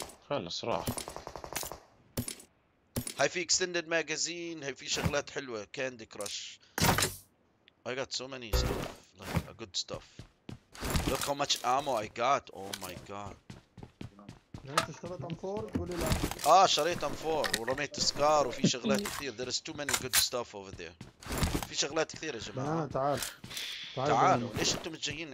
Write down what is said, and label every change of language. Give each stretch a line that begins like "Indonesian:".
Arabic: خلص راح. هاي في اكستندد ماجازين، هاي في شغلات حلوة، كاندي كراش.
English: I got so many stuff, like a good stuff. Look how much ammo I got, oh my god.
Arabic: اشتريت ام 4 قولي لا شريت ام 4 ورميت سكار وفي شغلات كثير
English: there is too many good stuff over there
Arabic: في شغلات كثير يا جماعه تعال تعال تعالوا ليش انتم متجايين